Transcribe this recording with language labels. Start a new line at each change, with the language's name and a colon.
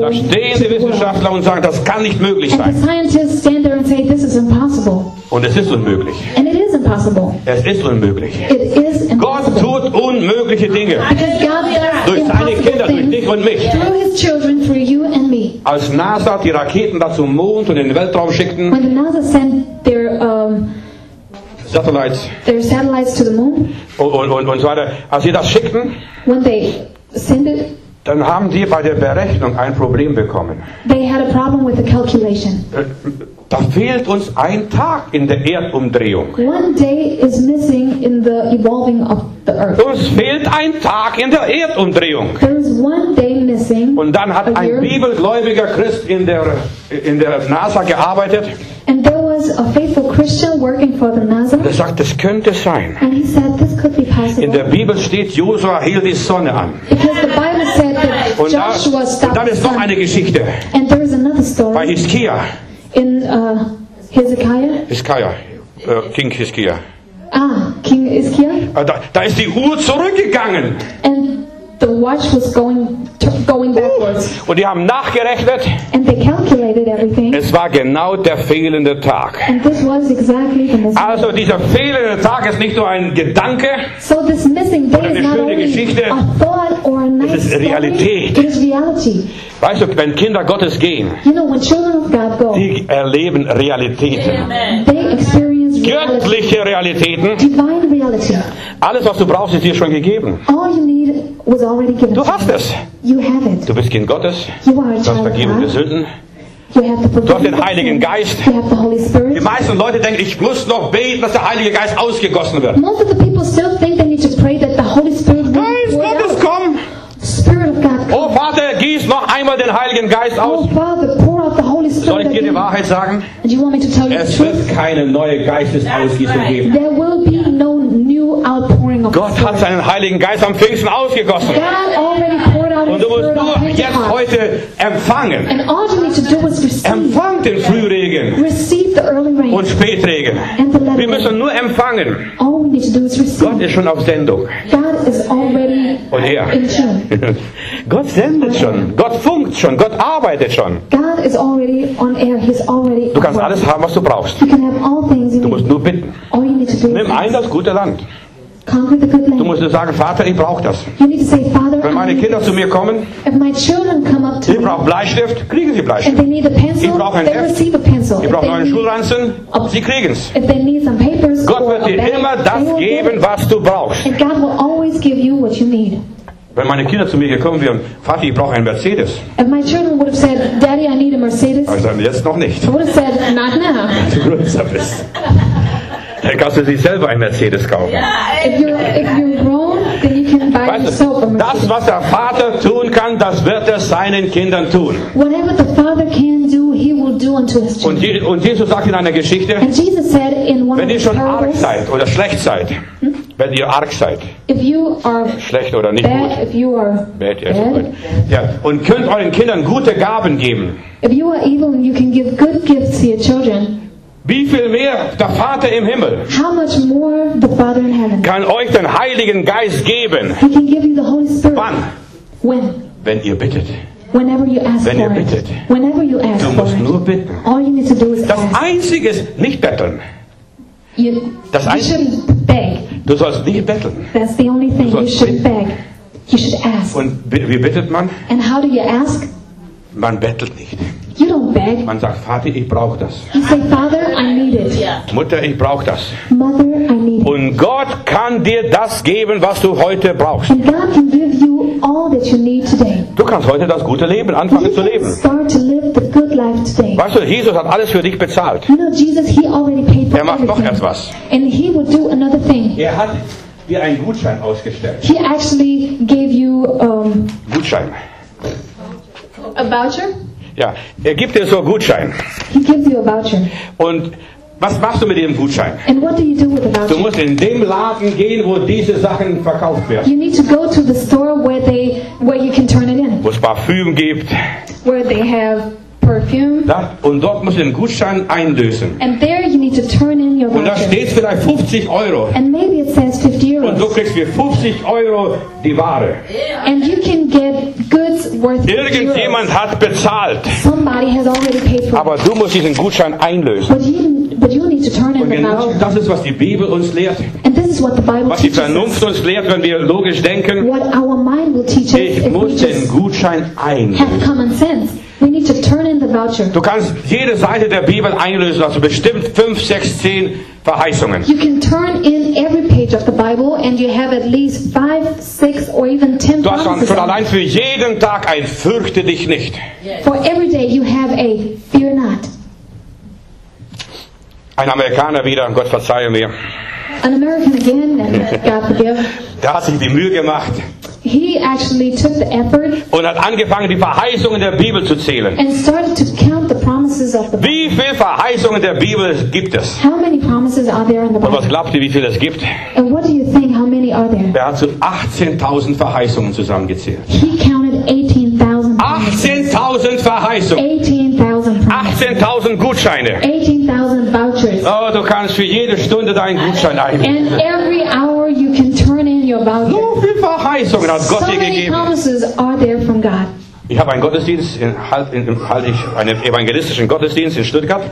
German: Da stehen die Wissenschaftler und sagen, das kann nicht möglich sein.
English: And the scientists stand there and say, this is impossible.
German: Und es ist unmöglich.
English: And it is impossible.
German: Es ist unmöglich.
English: It is impossible.
German: Gott tut unmögliche Dinge. Durch seine Kinder, durch dich und mich.
English: Through his children, through you and me.
German: Als NASA die Raketen da zum Mond und in den Weltraum schickten,
English: when the NASA sent their, satellites, their satellites to the moon,
German: und so weiter, als sie das schickten,
English: when they sent it,
German: dann haben die bei der Berechnung ein Problem bekommen.
English: They had a problem with the calculation.
German: Da fehlt uns ein Tag in der Erdumdrehung.
English: One day is missing in the evolving of the earth.
German: Uns fehlt ein Tag in der Erdumdrehung.
English: There is one day missing.
German: Und dann hat ein bibelgläubiger Christ in der NASA gearbeitet.
English: And there was a faithful Christian working for the NASA.
German: Er sagt, es könnte sein.
English: And he said, this could be possible.
German: In der Bibel steht, Josua hielt die Sonne an.
English: Because the Bible said that
German: und
English: Joshua stopped the sun.
German: Und dann ist noch eine Geschichte.
English: And there is another story.
German: Bei Hiskia.
English: In Hezekiah? King Hezekiah. Ah, King Hezekiah?
German: Da ist die Uhr zurückgegangen.
English: And the watch was going backwards.
German: Und die haben nachgerechnet.
English: And they calculated everything.
German: Es war genau der fehlende Tag.
English: And this was exactly the missing.
German: Also dieser fehlende Tag ist nicht nur ein Gedanke.
English: So this missing day is not only
German: Geschichte,
English: a thought or a nice story.
German: Es ist Realität.
English: It is reality.
German: Weißt du, wenn Kinder Gottes gehen,
English: you know, when children of God go,
German: die erleben Realitäten.
English: Amen. They experience reality.
German: Göttliche Realitäten.
English: Divine reality.
German: Alles, was du brauchst, ist dir schon gegeben.
English: All you need was already given.
German: Du hast es.
English: You have it.
German: Du bist Kind Gottes.
English: You are a child.
German: Du hast vergeben
English: God.
German: Die Sünden.
English: You have the
German: du hast den Heiligen Geist.
English: You have the Holy Spirit.
German: Die meisten Leute denken, ich muss noch beten, dass der Heilige Geist ausgegossen wird.
English: Most of the people still think they need to pray that the Holy Spirit will
German: Geist Gottes, komm!
English: Spirit of God, come.
German: Oh Vater, gieß noch einmal den Heiligen Geist aus.
English: Oh Father, pour out the Holy Spirit.
German: Soll ich dir die Wahrheit sagen?
English: And you want me to tell you
German: es
English: the
German: wird
English: truth?
German: Keine neue Geistesausgießung
English: right.
German: geben.
English: There will be no new outpouring of
German: Gott hat seinen Heiligen Geist am Pfingsten ausgegossen.
English: God already poured out
German: und du musst
English: Spirit
German: nur jetzt
English: heart.
German: Heute empfangen.
English: And all you need to do is receive.
German: Empfang den Frühregen.
English: Receive the early rain.
German: Und Spätregen.
English: And the
German: wir müssen nur empfangen.
English: All we need to do is receive.
German: Gott ist schon auf Sendung.
English: God is already
German: und er.
English: In tune.
German: Gott sendet schon. Gott funkt schon. Gott arbeitet schon.
English: God is already on air. He's already
German: du kannst alles haben, was du brauchst.
English: You can have all things you
German: du musst
English: need.
German: Nur bitten.
English: All you need to do
German: nimm
English: is
German: ein das gute Land.
English: Conquer the good land.
German: Du musst nur sagen, Vater, ich brauche das.
English: You need to say, Father,
German: wenn meine Kinder zu mir kommen,
English: if my children come up to
German: sie brauchen Bleistift, kriegen sie Bleistift.
English: If they need a pencil,
German: ich brauche einen
English: they receive a pencil.
German: Ich brauche neuen Schulranzen, sie kriegen es.
English: If they need some papers,
German: Gott wird dir immer das geben, was du brauchst.
English: And God will always give you what you need.
German: Wenn meine Kinder zu mir gekommen wären, Vati, ich brauche einen Mercedes.
English: If my children would have said, Daddy, I need a Mercedes.
German: Aber sagen, jetzt noch nicht.
English: I would have said, not now.
German: Wenn du größer bist. Dann kannst du sich selber einen Mercedes kaufen.
English: If you're grown, then you can buy
German: weißt
English: yourself a Mercedes.
German: Das, was der Vater tun kann, das wird er seinen Kindern tun.
English: Whatever the father can do, he will do unto his children.
German: Und Jesus sagt in einer Geschichte,
English: and Jesus said in one
German: wenn ihr schon arg seid oder schlecht seid, wenn ihr arg seid,
English: if you are
German: schlecht oder nicht
English: bad,
German: gut,
English: if you are bad, yes, bad.
German: Ja, und könnt euren Kindern gute Gaben geben,
English: if you are evil and you can give good gifts to your children,
German: wie viel mehr der Vater im Himmel
English: how much more the Father in heaven
German: kann euch den Heiligen Geist geben?
English: He can give you the Holy Spirit.
German: Wann?
English: When?
German: Wenn ihr bittet.
English: Whenever you ask
German: wenn
English: for
German: ihr bittet.
English: It. Whenever you ask
German: du musst
English: for
German: nur
English: it.
German: Bitten.
English: All you need to do is
German: das
English: ask.
German: Einzige ist nicht betteln.
English: You,
German: das
English: you
German: einzige,
English: shouldn't beg.
German: Du sollst nicht betteln.
English: That's the only thing. You shouldn't beg. You should ask.
German: Und wie bittet man?
English: And how do you ask?
German: Man bettelt nicht.
English: You don't beg.
German: Man sagt, Vati, ich brauche das.
English: You say, Father, I need it. Yeah.
German: Mutter, ich brauche das.
English: Mother, I need it.
German: Und Gott kann dir das geben, was du heute brauchst.
English: And God can give you all that you need today.
German: Du kannst heute das gute Leben anfangen zu leben.
English: Start to live the good life today.
German: Weißt du, Jesus hat alles für dich bezahlt.
English: You know, Jesus, he already paid for everything.
German: Er macht noch etwas.
English: And he will do another thing.
German: Er hat dir einen Gutschein ausgestellt.
English: He actually gave you
German: Gutschein.
English: A voucher?
German: Ja, er gibt dir so einen Gutschein.
English: He gives you a voucher.
German: Und was machst du mit dem Gutschein?
English: And what do you do with the voucher?
German: Du musst in dem Laden gehen, wo diese Sachen verkauft werden.
English: You need to go to the store where they, where you can turn it in.
German: Wo es Parfüm gibt.
English: Where they have perfume.
German: Da, und dort musst du den Gutschein einlösen.
English: And there you need to turn in your voucher.
German: Und da steht vielleicht 50 Euro.
English: And maybe it says 50 euros.
German: Und du kriegst für 50 Euro die Ware.
English: And you can get goods worth 50
German: euros. Irgendjemand hat bezahlt.
English: Somebody has already paid for.
German: Aber du musst diesen Gutschein einlösen.
English: But you need to turn in
German: und genau
English: the
German: das ist, was die Bibel uns lehrt.
English: And this is what the Bible
German: was die Vernunft uns lehrt, wenn wir logisch denken.
English: What our mind will teach us,
German: ich muss den Gutschein einlösen.
English: We need to turn in the voucher.
German: Du kannst jede Seite der Bibel einlösen, also bestimmt 5, 6, 10 Verheißungen.
English: You can turn in every page of the Bible and you have at least 5, 6 or even 10 promises.
German: Du hast schon allein für jeden Tag ein fürchte dich nicht.
English: Yes. For every day you have a fear not.
German: Ein Amerikaner wieder, Gott verzeihe mir.
English: An American again, God forgive.
German: Da hat sich die Mühe gemacht.
English: He actually took the effort.
German: Und hat angefangen, die Verheißungen der Bibel zu zählen.
English: And started to count the promises of the Bible.
German: Wie viele Verheißungen der Bibel gibt es?
English: How many promises are there in the Bible?
German: Und was glaubt ihr, wie viele es gibt?
English: And what do you think, how many are there?
German: Er hat zu 18.000 Verheißungen zusammengezählt.
English: He counted 18,000
German: promises. 18.000 Verheißungen.
English: 18,000 promises.
German: 18.000 Gutscheine.
English: 18,000 vouchers.
German: Oh, du kannst für jede Stunde deinen Gutschein einlösen.
English: And every hour you can turn in your voucher.
German: So viele Verheißungen hat Gott dir gegeben.
English: So many promises are there from God.
German: Ich habe einen Gottesdienst, einen evangelistischen Gottesdienst in Stuttgart.